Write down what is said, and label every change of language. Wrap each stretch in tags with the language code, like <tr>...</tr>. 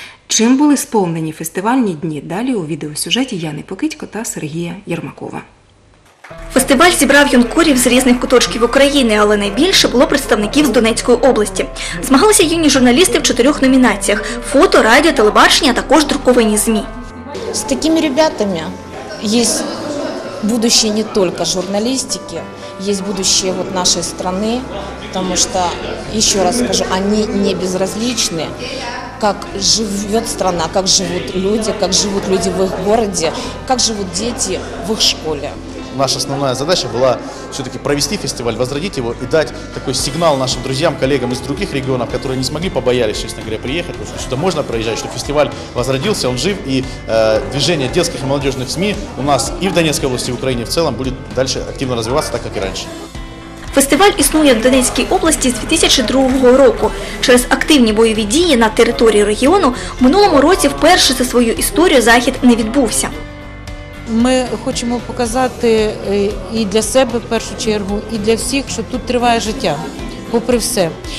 <uk>Чим були сповнені фестивальні дні? Далі у відеосюжеті Яни Покитько та Сергія Єрмакова. Фестиваль зібрав юнкорів з різних куточків України, але найбільше було представників з Донецької області. Змагалися юні журналісти в 4 номінаціях – фото, радіо, телебачення, а також друковані ЗМІ.</uk> <ru>С такими ребятами есть будущее не только журналистики, есть будущее вот нашей страны, потому что, еще раз скажу, они не безразличны, как живет страна, как живут люди в их городе, как живут дети в их школе. Наша основная задача была все-таки провести фестиваль, возродить его и дать такой сигнал нашим друзьям, коллегам из других регионов, которые не смогли, побоялись, честно говоря, приехать, что сюда можно проезжать, что фестиваль возродился, он жив, и движение детских и молодежных СМИ у нас и в Донецкой области, и в Украине в целом будет дальше активно развиваться, так как и раньше.</ru> <uk>Фестиваль існує в Донецькій області з 2002 року. Через активні бойові дії на території регіону в минулому році вперше за свою історію захід не відбувся. Ми хочемо показати і для себе, в першу чергу, і для всіх, що тут триває життя, попри все.</uk>